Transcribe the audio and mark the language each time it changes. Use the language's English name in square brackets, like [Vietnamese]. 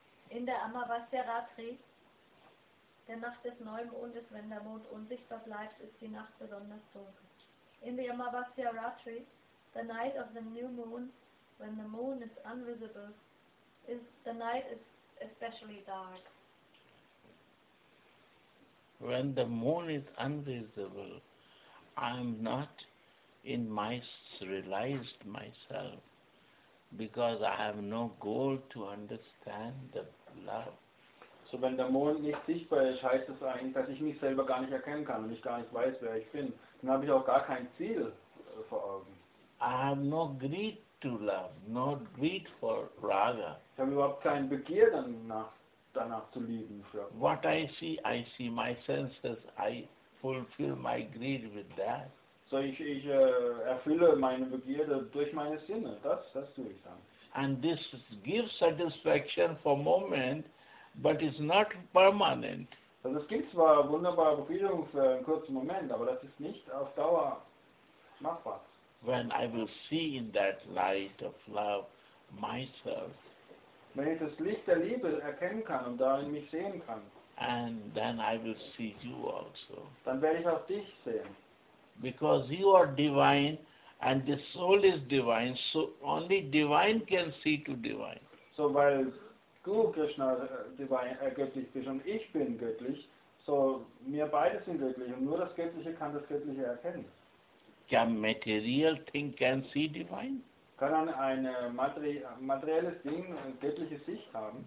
[German] In der Amavasya-Ratri, der Nacht des Neumondes, wenn der Mond unsichtbar bleibt, ist die Nacht besonders dunkel. In der [English] Amavasya-Ratri, the night of the new moon, when the moon is invisible, is the night is especially dark. When the moon is invisible, I am not in my realized myself. Because I have no goal to understand the love. [German] So wenn der Mond nicht sichtbar ist, heißt das eigentlich, dass ich mich selber gar nicht erkennen kann und ich gar nicht weiß, wer ich bin. Dann habe ich auch gar kein Ziel vor Augen. [English] I have no greed to love, no greed for Raga. [German] Ich habe überhaupt kein Begehr danach zu lieben. [English] What I see my senses, I fulfill my greed with that. [German] So ich erfülle meine Begierde durch meine Sinne. Das tue ich dann. [English] And this gives satisfaction for a moment, but it's not permanent. [German] Also es gibt zwar wunderbare Befriedigung für einen kurzen Moment, aber das ist nicht auf Dauer machbar. [English] When I will see in that light of love myself. [German] Wenn ich das Licht der Liebe erkennen kann und darin mich sehen kann. [English] And then I will see you also. [German] Dann werde ich auch dich sehen. [English] Because you are divine and the soul is divine, so only divine can see to divine. [German] So weil du Krishna göttlich bist und ich bin göttlich, so wir beide sind göttlich und nur das Göttliche kann das Göttliche erkennen. [English] Can material thing can see divine? [German] Kann ein materielles Ding eine göttliche Sicht haben?